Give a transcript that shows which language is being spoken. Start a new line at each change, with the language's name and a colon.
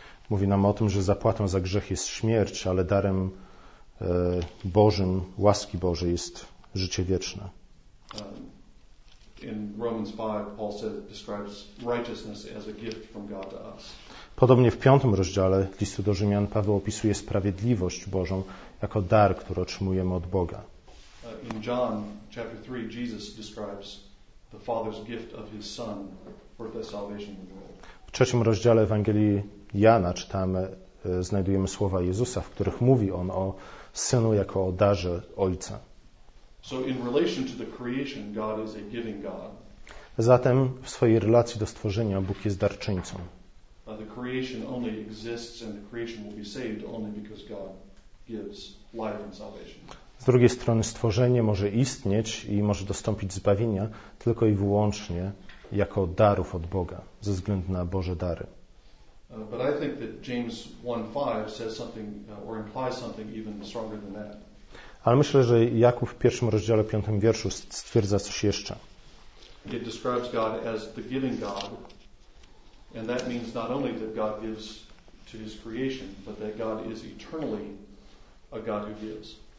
Polish: Mówi nam o tym, że zapłatą za grzech jest śmierć, ale darem Bożym, łaski Bożej jest życie wieczne.
English: In Romans 5 Paul said describes righteousness as a gift from God to us.
Polish: Podobnie w piątym rozdziale listu do Rzymian Paweł opisuje sprawiedliwość Bożą jako dar, który otrzymujemy od Boga.
English: In John chapter 3 Jesus describes the Father's gift of his Son for the salvation of the world.
Polish: W trzecim rozdziale Ewangelii Jana czytamy, znajdujemy słowa Jezusa, w których mówi on o Synu jako o darze Ojca.
English: So in relation to the creation, God is a giving God.
Polish: Zatem w swojej relacji do stworzenia Bóg jest darczyńcą.
English: The creation only exists and the creation will be saved only because God gives life and salvation.
Polish: Z drugiej strony stworzenie może istnieć i może dostąpić zbawienia tylko i wyłącznie jako darów od Boga ze względu na Boże dary.
English: But I think that James 1:5 says something or implies something even stronger than that.
Polish: Ale myślę, że Jakub w pierwszym rozdziale, piątym wierszu stwierdza coś jeszcze.
English: It describes God as the giving God, and that means not only that God gives to his creation, but that God is eternally a God who gives.